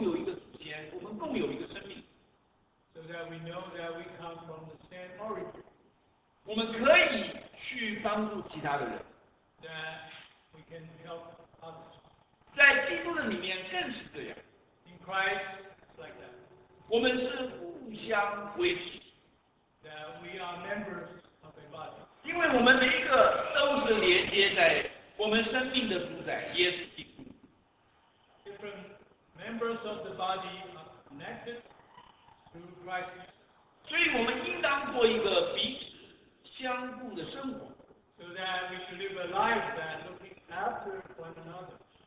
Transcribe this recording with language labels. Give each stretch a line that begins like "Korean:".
Chinese: 就是叫我们了解，其实我们是共有一个来源，我们共有一个祖先，我们共有一个生命。
English: So that we know that we come from the same origin.
Chinese: 我们可以去帮助其他的人。
English: That we can help others.
Chinese: 在基督的里面更是这样。
English: In Christ, it's like that.
Chinese: 我们是互相维持。
English: That we are members of a body.
Chinese: 因为我们每一个都是连接在我们生命的主宰耶稣基督。
English: Different members of the body are connected through Christ.
Chinese: 所以我们应当过一个彼此相互的生活。
English: So that we should live a life that looking after one another.